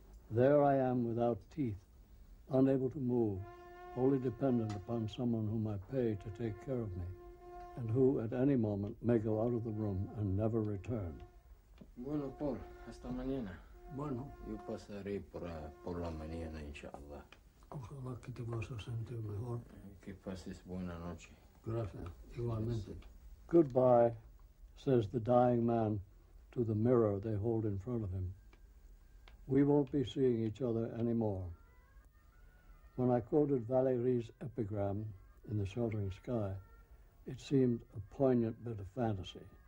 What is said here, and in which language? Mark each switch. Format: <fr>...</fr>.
<en>There I am without teeth, unable to move, wholly dependent upon someone whom I pay to take care of me, and who at any moment may go out of the room and never return.</en> <es>Bueno, Paul, hasta mañana. Bueno. Yo pasaré por la mañana, inshallah. Ojalá que te vas a sentir mejor. Que pases buena noche. Gracias. Igualmente.</es> <en>Goodbye, says the dying man to the mirror they hold in front of him. We won't be seeing each other anymore. When I quoted Valéry's epigram in The Sheltering Sky, it seemed a poignant bit of fantasy.</en>